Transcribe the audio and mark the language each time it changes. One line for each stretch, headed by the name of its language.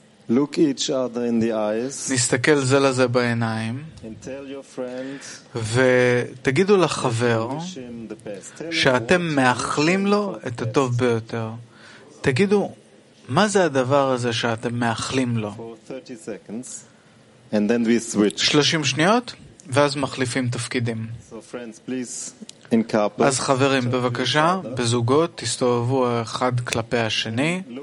English: Look each other in the eyes.
Hebrew: נסתכל זה לזה בעיניים.
English: And tell your friend.
Hebrew: ותגידו לחבר שאתם מאחלים לו את הטוב ביותר. תגידו, מה זה הדבר הזה שאתם מאחלים לו?
English: 30 seconds. And then we switch.
Hebrew: 30 שניות ואז מחליפים תפקידים.
English: So friends, please in couples.
Hebrew: אז חברים, בבקשה, בזוגות תסתובבו אחד כלפי השני.